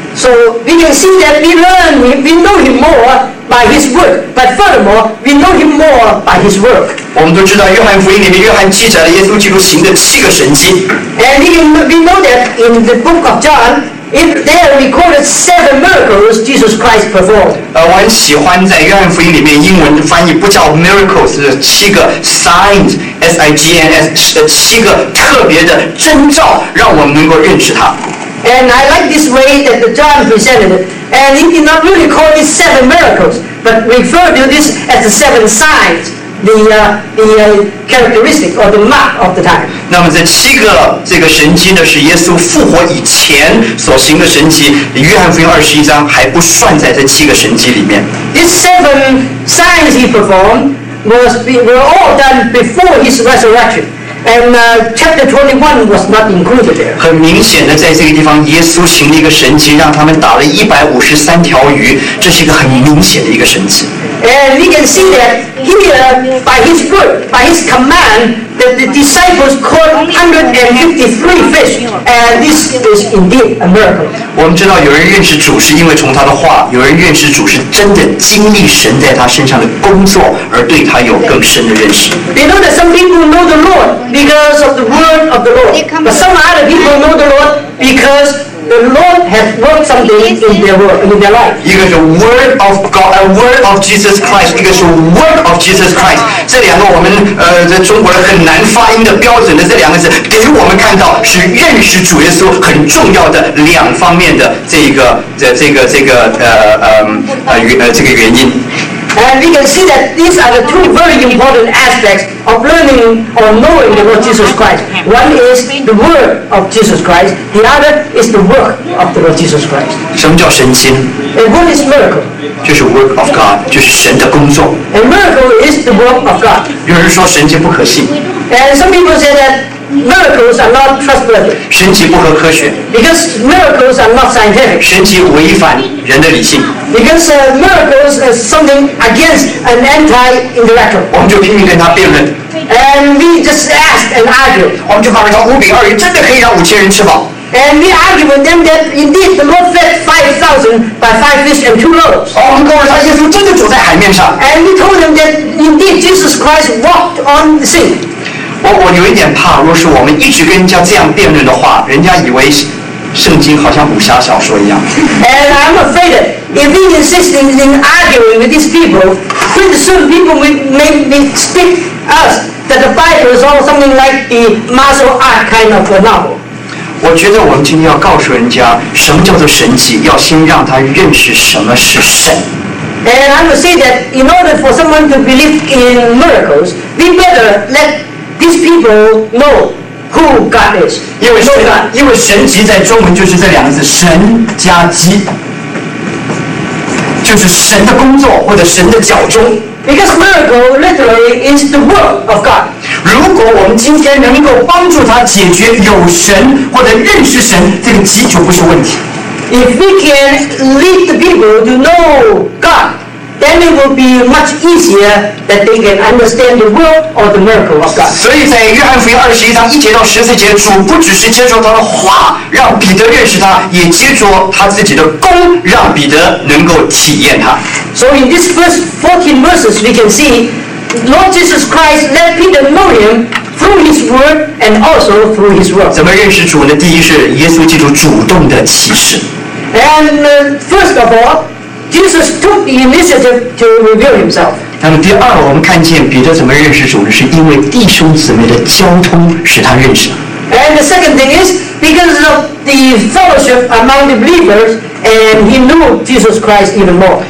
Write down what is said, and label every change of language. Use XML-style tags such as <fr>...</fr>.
<en>So we can see that we learn, we know him more by his work. But furthermore, we know him more by his work.</en> <zh>我们都知道约翰福音里面约翰记载了耶稣基督行的七个神迹。</zh> <en>And we know that in the book of John, if there are recorded seven miracles Jesus Christ performed.</en> <zh>我很喜欢在约翰福音里面英文翻译不叫 miracles, 是七个 signs, S-I-G-N-S, 七个特别的征兆让我们能够认识他。</zh> <en>And I like this way that John presented it. And he did not really call it seven miracles, but referred to this as the seven signs, the characteristic or the mark of the time.</en> <zh>那么这七个这个神迹呢，是耶稣复活以前所行的神迹。约翰福音二十一章还不算在这七个神迹里面。</zh> <en>These seven signs he performed were all done before his resurrection. And chapter 21 was not included there.</en> <zh>很明显的，在这个地方，耶稣行了一个神迹，让他们打了153条鱼，这是一个很明显的一个神迹。</zh> <en>And we can see that here, by his word, by his command, that the disciples caught 153 fish, and this is indeed a miracle.</en> <zh>我们知道，有人认识主是因为从他的话，有人认识主是真的经历神在他身上的工作，而对他有更深的认识。</zh> <en>They know that some people know the Lord because of the word of the Lord, but some other people know the Lord because. The Lord has worked something in their world, in their life.</en> <zh>一个是</zh> <en>Word of God, a Word of Jesus Christ.</en> <zh>一个是</zh> <en>Work of Jesus Christ.</en> <zh>这两个我们在中国人很难发音的标准的这两个字，给我们看到是认识主耶稣很重要的两方面的这个原因。</zh> <en>And we can see that these are the two very important aspects of learning or knowing the Lord Jesus Christ. One is the word of Jesus Christ. The other is the work of the Lord Jesus Christ.</en> <zh>什么叫神迹？</zh> <en>And what is miracle?</en> <zh>就是</zh> <en>work of God,</en> <zh>就是神的工作。</zh> <en>And miracle is the work of God.</en> <zh>有人说神迹不可信。</zh> <en>And some people say that miracles are not trustworthy.</en> <zh>神迹不合科学。</zh> <en>Because miracles are not scientific.</en> <zh>神迹违反人的理性。</zh> <en>Because miracles is something against an anti-intellectual.</en> <zh>我们就拼命跟他辩论。</zh> <en>And we just ask and argue.</en> <zh>我们就发表说五饼二鱼真的可以让五千人吃饱。</zh> <en>And we argue with them that indeed the Lord fed 5,000 by five fish and two loaves.</en> <zh>我们告诉他耶稣真的走在海面上。</zh> <en>And we told them that indeed Jesus Christ walked on the sea.</en> <zh>我有一点怕，若是我们一直跟人家这样辩论的话，人家以为圣经好像武侠小说一样。</zh> <en>And I'm afraid that if we insist in arguing with these people, pretty soon people may mistake us that the Bible is all something like the martial art kind of a novel.</en> <zh>我觉得我们今天要告诉人家什么叫做神迹，要先让他认识什么是神。</zh> <en>And I would say that in order for someone to believe in miracles, we better let these people know. Who God is?</en> <zh>因为神迹在中文就是这两个字，神加迹，就是神的工作或者神的脚踪。</zh> <en>Because miracle literally is the work of God.</en> <zh>如果我们今天能够帮助他解决有神或者认识神，这个迹就不是问题。</zh> <en>If we can lead the people to know God. Then it will be much easier that they can understand the will or the miracle of God.</en> <zh>所以在约翰福音二十一章一节到十四节，主不只是接着他的话让彼得认识他，也接着他自己的功让彼得能够体验他。</zh> <en>So in this first 14 verses, we can see Lord Jesus Christ let Peter know him through his word and also through his work.</en> <zh>怎么认识主呢？第一是耶稣基督主动的启示。</zh> <en>And first of all. Jesus took the initiative to reveal himself.</en> <zh>那么第二，我们看见彼得怎么认识主呢？是因为弟兄姊妹的交通使他认识了。</zh> <en>And the second thing is because of the fellowship among the believers, and he knew Jesus Christ even more.</en>